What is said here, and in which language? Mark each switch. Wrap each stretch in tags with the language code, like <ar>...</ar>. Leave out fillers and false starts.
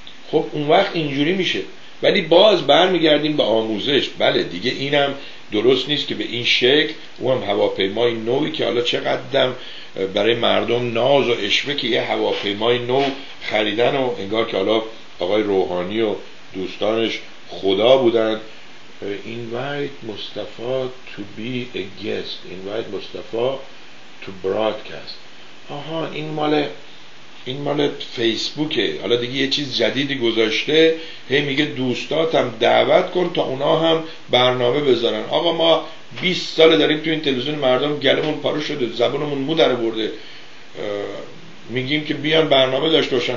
<fa>خب اون وقت اینجوری میشه. ولی باز برمیگردیم به آموزش. بله دیگه، اینم درست نیست که به این شکل، اونم هواپیمای نوی که حالا چقدرم برای مردم ناز و عشوه که یه هواپیمای نو خریدن و انگار که حالا آقای روحانی و دوستانش خدا بودن.</fa> <en>Invite Mustafa to be a guest. Invite Mustafa to broadcast.</en> <fa>آها، این مال فیسبوکه. حالا دیگه یه چیز جدیدی گذاشته، هی میگه دوستاتم دعوت کن تا اونا هم برنامه بذارن. آقا ما 20 ساله داریم تو این تلویزیون، مردم گلمون پاره شده، زبانمون مو در آورده، میگیم که بیان برنامه داشته باشن.</fa>